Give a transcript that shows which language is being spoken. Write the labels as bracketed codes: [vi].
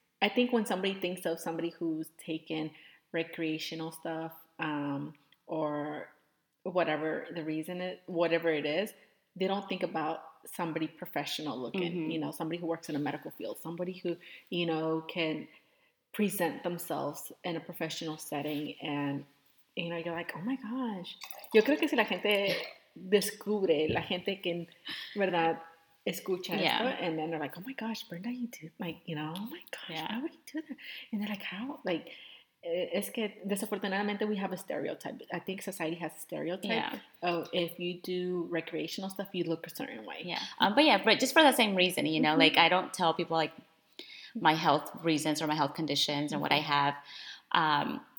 [en] I think when somebody thinks of somebody who's taken recreational stuff, or whatever the reason is, whatever it is, they don't think about somebody professional looking, mm-hmm. you know, somebody who works in a medical field, somebody who, you know, can present themselves in a professional setting. And, you know, you're like, oh my gosh. [es] Yo creo que si la gente descubre, la gente que, en verdad, escucha yeah. [en] esto, and then they're like, oh my gosh, Brenda, you do, like, you know, oh my gosh, yeah. how would you do that? And they're like, how? Like, [es] es que desafortunadamente [en] we have a stereotype. I think society has a stereotype. Yeah. Oh, if you do recreational stuff, you look a certain way. Yeah. But yeah, but just for the same reason, you know, mm-hmm. like I don't tell people like my health reasons or my health conditions mm-hmm. and what I have.